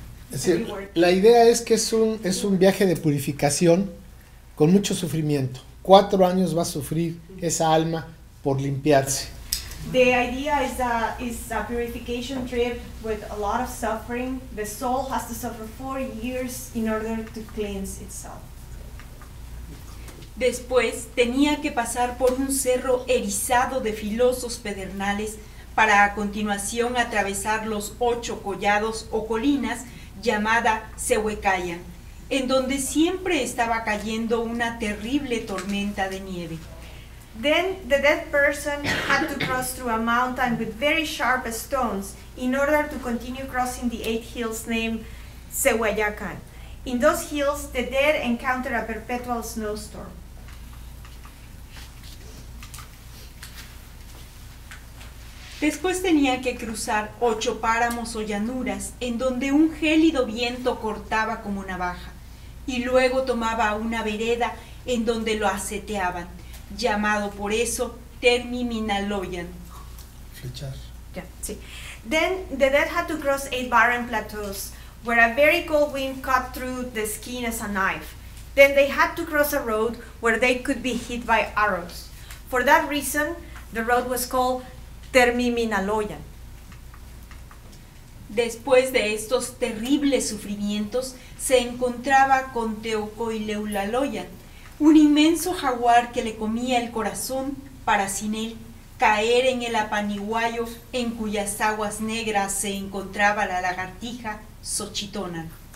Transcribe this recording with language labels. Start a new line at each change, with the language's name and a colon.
Spanish: Es decir, la idea es que es un viaje de purificación con mucho sufrimiento. 4 años va a sufrir esa alma por limpiarse.
English: The idea is a purification trip with a lot of suffering. The soul has to suffer 4 years in order to cleanse itself.
Spanish: Después tenía que pasar por un cerro erizado de filosos pedernales para a continuación atravesar los 8 collados o colinas llamada Sehuecayan, en donde siempre estaba cayendo una terrible tormenta de nieve.
English: Then the dead person had to cross through a mountain with very sharp stones in order to continue crossing the 8 hills named Sehuecayan. In those hills, the dead encountered a perpetual snowstorm.
Spanish: Después tenía que cruzar 8 páramos o llanuras en donde un gélido viento cortaba como navaja y luego tomaba una vereda en donde lo aseteaban, llamado por eso Termiminaloyan. Flechar.
English: Yeah,
Spanish: sí.
English: Then the dead had to cross 8 barren plateaus where a very cold wind cut through the skin as a knife. Then they had to cross a road where they could be hit by arrows. For that reason, the road was called Termiminaloyan.
Spanish: Después de estos terribles sufrimientos, se encontraba con Teocoileulaloyan, un inmenso jaguar que le comía el corazón para sin él caer en el Apaniguayo, en cuyas aguas negras se encontraba la lagartija Xochitonan.